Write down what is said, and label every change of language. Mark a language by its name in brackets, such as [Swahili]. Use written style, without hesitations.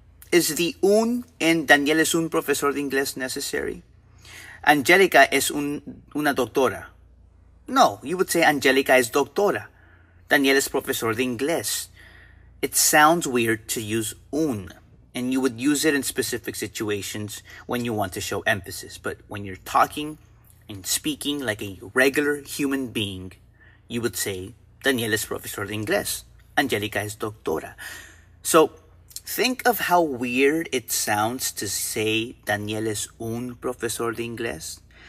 [English] Is the un in [Spanish] Daniel es un profesor de inglés [English] necessary? [Spanish] Angélica es una doctora. [English] No, you would say [Spanish] Angélica es doctora. Daniel es profesor de inglés. [English] It sounds weird to use un, and you would use it in specific situations when you want to show emphasis. But when you're talking and speaking like a regular human being, you would say [Spanish] Daniel es profesor de inglés. Angélica es doctora. [English] So think of how weird it sounds to say [Spanish] Daniel es un profesor de inglés.